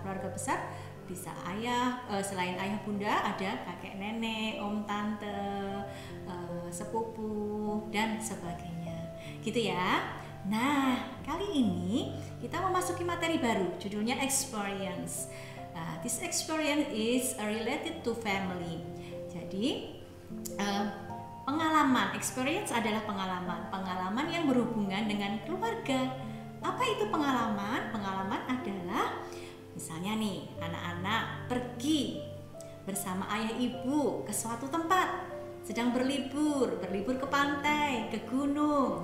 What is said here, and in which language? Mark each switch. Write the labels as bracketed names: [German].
[Indonesian] Keluarga besar bisa ayah, selain ayah bunda ada kakek nenek, om tante, sepupu dan sebagainya. Gitu ya. Nah, kali ini kita memasuki materi baru, judulnya experience. [English] This experience is related to family. [Indonesian] Jadi pengalaman, experience adalah pengalaman, pengalaman yang berhubungan dengan keluarga. Apa itu pengalaman? Pengalaman adalah misalnya nih, anak-anak pergi bersama ayah ibu ke suatu tempat, sedang berlibur, berlibur ke pantai, ke gunung.